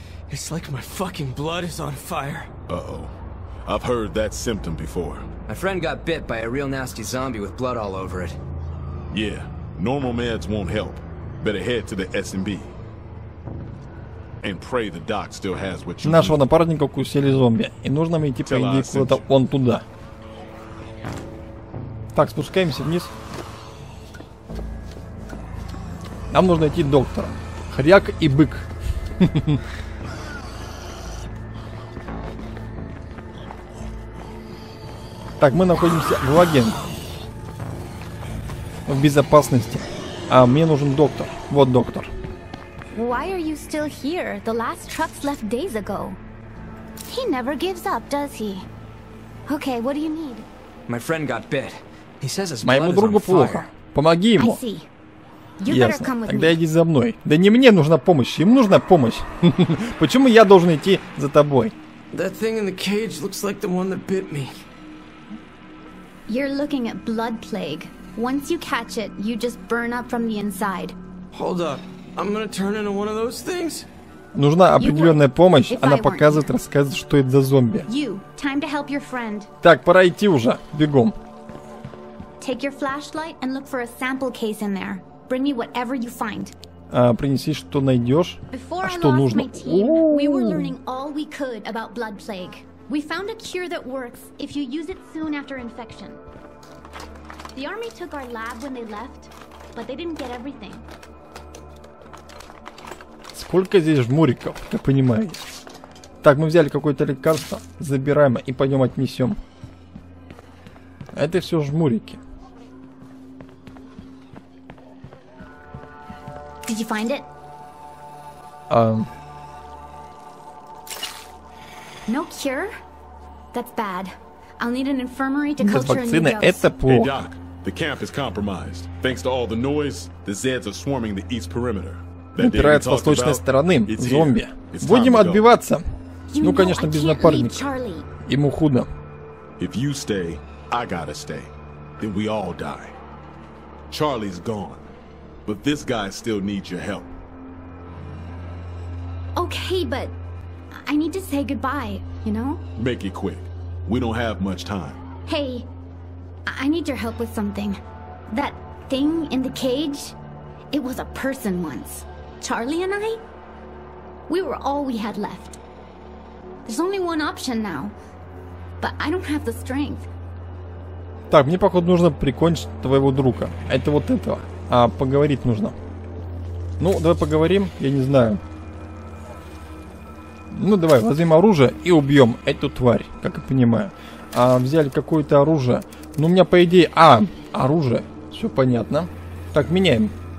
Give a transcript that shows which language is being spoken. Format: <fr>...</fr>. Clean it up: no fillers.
<en>It's like my fucking blood is on fire. Uh-oh. I've heard that symptom before. My friend got bit by a real nasty zombie with blood all over it. Yeah, normal meds won't help. Better head to the S&B. And pray the doc still has what you need.</en> <ru>Нашего напарника укусили зомби. И нужно мне идти, по идее, куда-то вон туда. Так, спускаемся вниз. Нам нужно идти к доктору. Хряк и бык. Так, мы находимся в лагере. В безопасности. А мне нужен доктор. Вот доктор.</ru> <en>Why are you still here? The last truck left days ago. He never gives up, does he? Okay, what do you need? My friend got bit. He says his</en> <ru>Моему другу плохо. Помоги ему. Ясно. Тогда иди за мной. Да не мне нужна помощь, им нужна помощь. Почему я должен идти за тобой?</ru> <en>That thing in the cage looks like the one that bit me. You're looking at blood plague. Once you catch it, you just burn up from the inside. Hold up. I'm gonna turn into one of those things?</en> <ru>Нужна определенная помощь. Она показывает, рассказывает, что это за зомби.</ru> <en>You. Time to help your friend.</en> <ru>Так, пора идти уже. Бегом.</ru> <en>Take your flashlight and look for a sample case in there. Bring me whatever you find.</en> <ru>А, принеси, что найдешь.</ru> <en>Before</en> <ru>а что нужно?</ru> <en>We were learning all we could about blood plague. We found a cure that works if you use it soon after infection. The army took our lab when they left, but they didn't get everything.</en> <ru>Сколько здесь жмуриков, я понимаю. Так, мы взяли какое-то лекарство, забираем и пойдем отнесем. Это все жмурики. Did you find it? No cure? That's bad. I'll need an infirmary to culture a new dose. Это плохо.</ru> <en>Hey Doc, the camp is compromised. Thanks to all the noise, the Zeds are swarming the east perimeter.</en> <ru>Убирают с восточной стороны зомби. Будем отбиваться. Ну, конечно, без напарника. Ему худо.</ru> <en>If you stay, I gotta stay. Then we all die. Charlie's gone. But this guy still needs your help. Okay, but I need to say goodbye, you know? Make it quick. We don't have much time. Hey, I need your help with something. That thing in the cage, it was a person once. Charlie and I? We were all we had left. There's only one option now. But I don't have the strength.</en> <ru>Так, мне, походу, нужно прикончить твоего друга. Это вот этого. А поговорить нужно. Ну, давай поговорим, я не знаю. Ну, давай, возьмем оружие и убьем эту тварь, как я понимаю. А, взяли какое-то оружие. Ну, у меня, по идее... А, оружие. Все понятно. Так, меняем.</ru>